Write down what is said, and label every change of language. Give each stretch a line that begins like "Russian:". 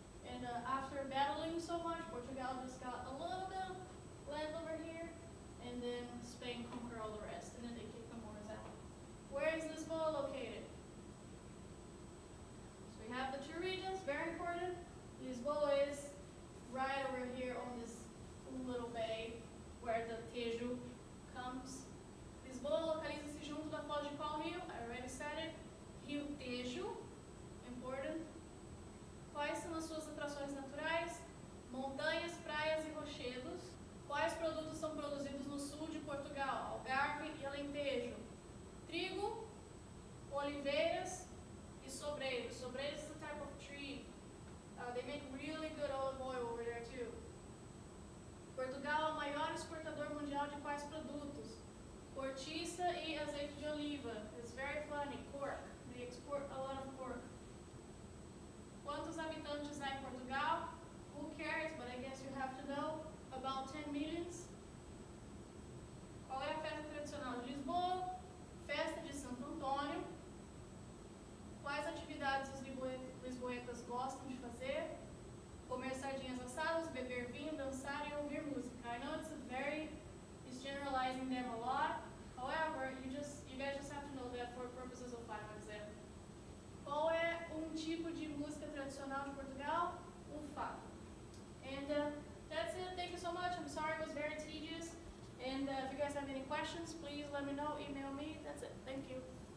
English: And after battling so much, Portugal just got a little bit of land over here, and then Spain conquered all the rest, and then they kicked the Moors out. Where is Lisboa located? So we have the two regions, very important. Lisboa is right over here on this little bay where the Tejo comes.
Portuguese: Lisboa localiza-se junto da foz de qual rio?
English: I already said it. Rio Tejo. Important.
Portuguese: Quais são as suas atrações naturais? Montanhas, praias e rochedos. Quais produtos são produzidos no sul de Portugal? Algarve e Alentejo. Trigo, oliveiras e sobreiros.
English: Sobreiros is a type of tree. They make really good olive oil over there too.
Portuguese: Portugal é o maior exportador mundial de quais produtos? Cortiça e azeite de oliva.
English: It's very funny. Cork. They export a lot of cork.
Portuguese: Quantos habitantes há em Portugal?
English: Who cares? But I guess you have to know. About 10 million.
Portuguese: Qual é a festa tradicional de Lisboa? Festa de Santo Antônio. Quais atividades os lisboetas gostam de fazer? Comer sardinhas assadas, beber vinho, dançar e ouvir música.
English: I know it's a very... It's generalizing them a lot. However, you guys just have to know that for purposes of final exam.
Portuguese: Qual é tipo de música tradicional de Portugal? Um fado.
English: And that's it. Thank you so much. I'm sorry it was very tedious. And if you guys have any questions, please let me know. Email me. That's it. Thank you.